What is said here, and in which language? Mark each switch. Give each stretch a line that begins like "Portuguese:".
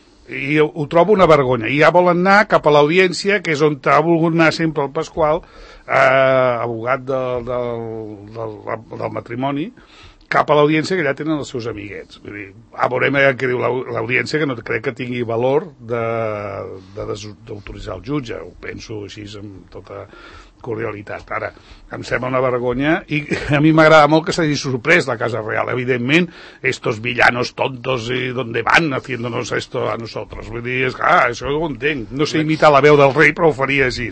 Catalan: I ho trobo una vergonya. I ja volen anar cap a l'audiència, que és on ha volgut anar sempre el Pasqual, abogat del matrimoni, cap a l'audiència, que allà tenen els seus amiguets. Vull dir, veurem allà què diu l'audiència, que no crec que tingui valor d'autoritzar el jutge. Ho penso així amb tota cordialitat. Ara, em sembla una vergonya, i a mi m'agrada molt que s'hagi sorprès la Casa Real.
Spanish: Evidentment, estos villanos tontos, i ¿dónde van haciéndonos esto a nosotros?
Catalan: Vull dir, és que, això ho entenc. No sé imitar la veu del rei, però ho faria així.